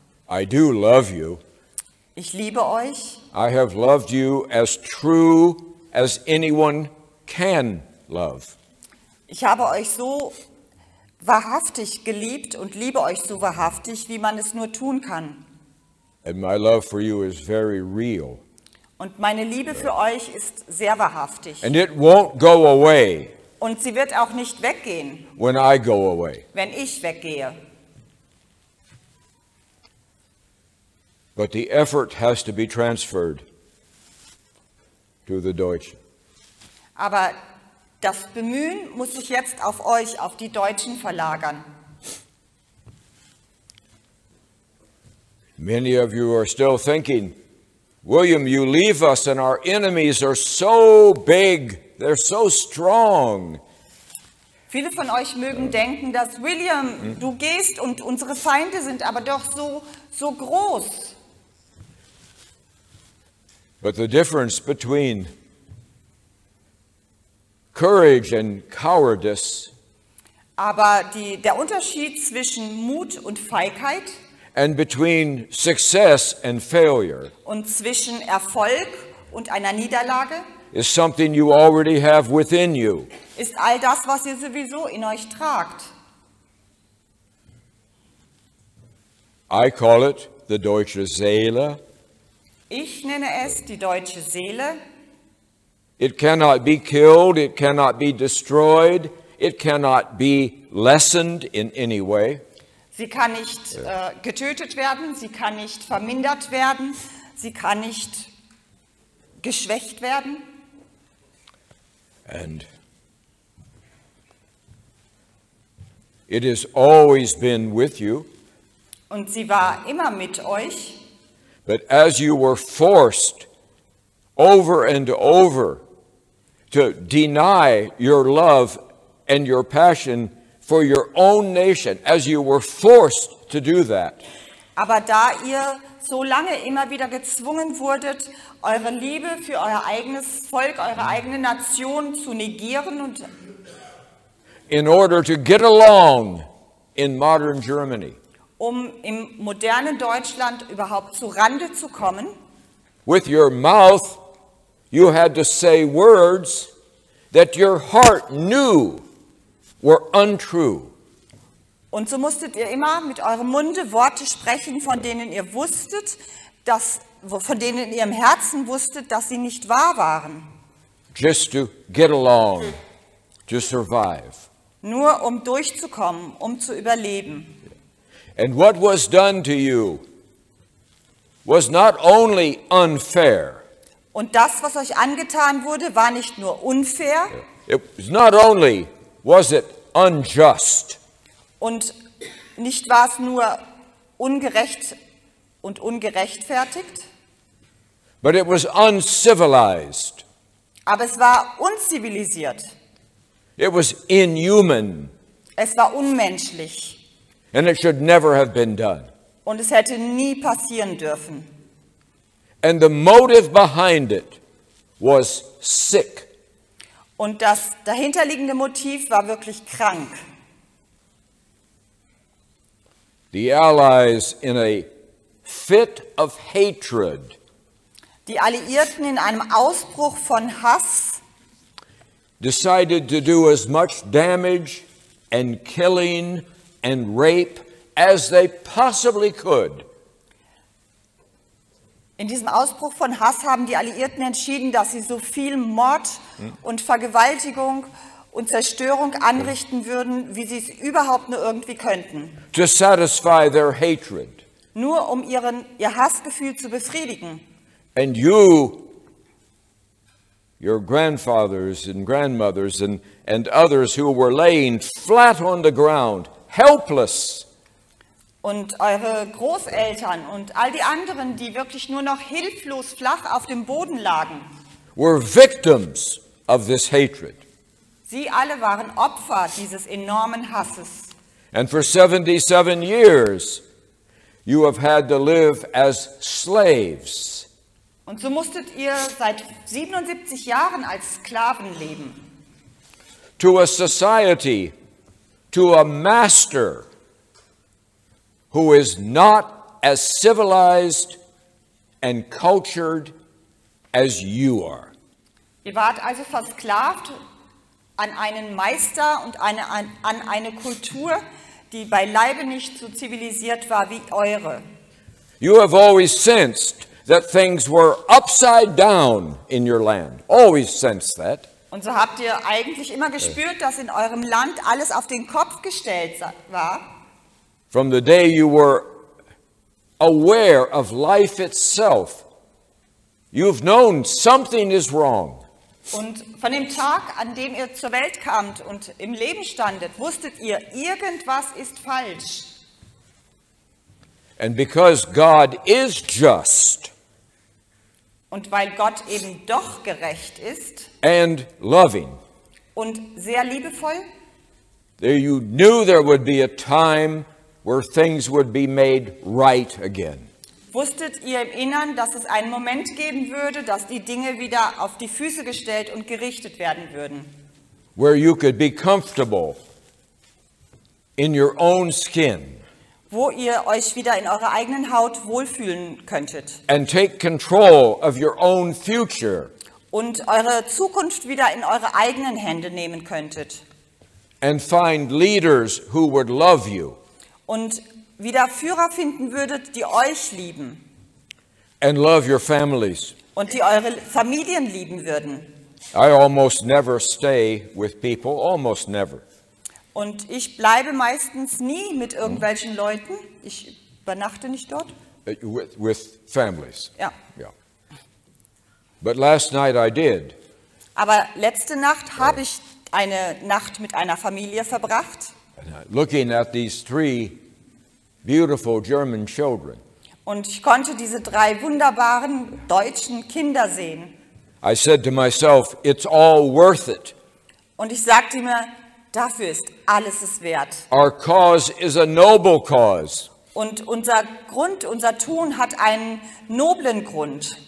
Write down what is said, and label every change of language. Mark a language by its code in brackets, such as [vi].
[en] I do love you. [de] Ich liebe euch. [en] I have loved you as true as anyone can love. [de] Ich habe euch so wahrhaftig geliebt und liebe euch so wahrhaftig, wie man es nur tun kann. [en] And my love for you is very real. [de] Und meine Liebe für euch ist sehr wahrhaftig. [en] And it won't go away. [de] Und sie wird auch nicht weggehen. [en] When I go away. [de] Wenn ich weggehe. [en] But the effort has to be transferred to the Deutschen. [de] Aber das Bemühen muss sich jetzt auf euch, auf die Deutschen verlagern. [en] Many of you are still thinking, William, you leave us and our enemies are so big, they're so strong. [de] Viele von euch mögen denken, dass William, du gehst und unsere Feinde sind aber doch so groß. [en] But the difference between courage and cowardice. [de] Aber der Unterschied zwischen Mut und Feigheit. [en] And between success and failure. [de] Und zwischen Erfolg und einer Niederlage. [en] Is something you already have within you. [de] Ist all das, was ihr sowieso in euch tragt. [en] I call it the [de] deutsche Seele. Ich nenne es die deutsche Seele. [en] It cannot be killed, it cannot be destroyed, it cannot be lessened in any way. [de] Sie kann nicht getötet werden, sie kann nicht vermindert werden, sie kann nicht geschwächt werden. [en] And it has always been with you. [de] Und sie war immer mit euch. [en] But as you were forced over and over to deny your love and your passion for your own nation, as you were forced to do that. [de] Aber da ihr so lange immer wieder gezwungen wurdet, eure Liebe für euer eigenes Volk, eure eigene Nation zu negieren und [en] in order to get along in modern Germany. [de] Um im modernen Deutschland überhaupt zu Rande zu kommen. [en] With your mouth, you had to say words that your heart knew were untrue. [de] Und so musstet ihr immer mit eurem Munde Worte sprechen, von denen ihr wusstet, dass von denen in ihrem Herzen wusstet, dass sie nicht wahr waren. [en] Just to get along, to survive. [de] Nur um durchzukommen, um zu überleben. [en] And what was done to you was not only unfair. [de] Und das, was euch angetan wurde, war nicht nur unfair. [en] It was not only was it unjust. [de] Und nicht war es nur ungerecht und ungerechtfertigt. [en] But it was uncivilized. [de] Aber es war unzivilisiert. [en] It was inhuman. [de] Es war unmenschlich. [en] And it should never have been done. [de] Und es hätte nie passieren dürfen. [en] And the motive behind it was sick. [de] Und das dahinterliegende Motiv war wirklich krank. [en] The Allies in a fit of hatred. [de] Die Alliierten in einem Ausbruch von Hass. [en] Decided to do as much damage and killing and rape as they possibly could. [de] In diesem Ausbruch von Hass haben die Alliierten entschieden, dass sie so viel Mord und Vergewaltigung und Zerstörung anrichten würden, wie sie es überhaupt nur irgendwie könnten. [en] To satisfy their hatred. [de] Nur um ihr Hassgefühl zu befriedigen. [en] And you, your grandfathers and grandmothers and others who were laying flat on the ground, helpless. [de] Und eure Großeltern und all die anderen, die wirklich nur noch hilflos flach auf dem Boden lagen, [en] were victims of this hatred. [de] Sie alle waren Opfer dieses enormen Hasses. [en] And for 77 years, you have had to live as slaves. [de] Und so musstet ihr seit 77 Jahren als Sklaven leben. [en] To a society, to a master, who is not as civilized and cultured as you are. [de] Ihr wart also versklavt an einen Meister und an eine Kultur, die beileibe nicht so zivilisiert war wie eure. [en] You have always sensed that things were upside down in your land. Always sensed that. [de] Und so habt ihr eigentlich immer gespürt, dass in eurem Land alles auf den Kopf gestellt war. [en] From the day you were aware of life itself, you've known something is wrong. [de] Und von dem Tag, an dem ihr zur Welt kamt und im Leben standet, wusstet ihr, irgendwas ist falsch. [en] And because God is just. [de] Und weil Gott eben doch gerecht ist. [en] And loving. [de] Und sehr liebevoll. [en] There you knew there would be a time where things would be made right again. [de] Wusstet ihr im Innern, dass es einen Moment geben würde, dass die Dinge wieder auf die Füße gestellt und gerichtet werden würden? [en] Where you could be comfortable in your own skin. [de] Wo ihr euch wieder in eurer eigenen Haut wohlfühlen könntet. [en] And take control of your own future. [de] Und eure Zukunft wieder in eure eigenen Hände nehmen könntet. [en] And find leaders who would love you. [de] Und wieder Führer finden würdet, die euch lieben. [en] And love your families. [de] Und die eure Familien lieben würden. [en] I almost never stay with people, almost never. [de] Und ich bleibe meistens nie mit irgendwelchen Leuten. Ich übernachte nicht dort. [en] With families. Ja. Yeah. But last night I did. [de] Aber letzte Nacht habe ich eine Nacht mit einer Familie verbracht. [en] Looking at these three beautiful German children. [de] Und ich konnte diese drei wunderbaren deutschen Kinder sehen. [en] I said to myself, it's all worth it. [de] Und ich sagte mir, dafür ist alles es wert. [en] Our cause is a noble cause. [de] Und unser Grund, unser Tun hat einen noblen Grund.